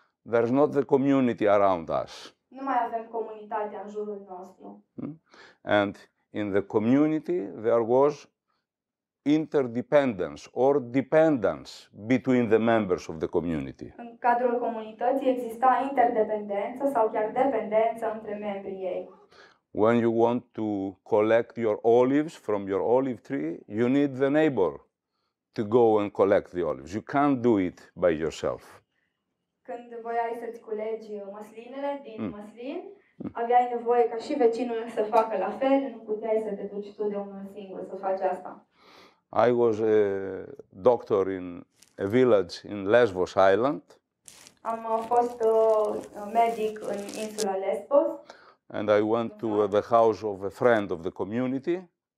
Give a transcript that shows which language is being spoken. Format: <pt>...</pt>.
<en>There's not the community around us.</en> <ro>Nu mai avem comunitatea în jurul nostru.</ro> <en>And in the community there was interdependence or dependence between the members of the community.</en> <ro>În cadrul comunității exista interdependență sau chiar dependență între membrii ei.</ro> <en>When you want to collect your olives from your olive tree, you need the neighbor to go and collect the olives. You can't do it by yourself.</en> <ro>Când voiai să-ți culegi măslinele din măslin, aveai nevoie ca și vecinul să facă la fel, nu puteai să te duci tu de unul singur să faci asta.</ro> <en>I was a doctor in a village in Lesbos Island.</en> <ro>Am fost medic în insula Lesbos.</ro> <en>And I went to the house of a friend of the community.</en>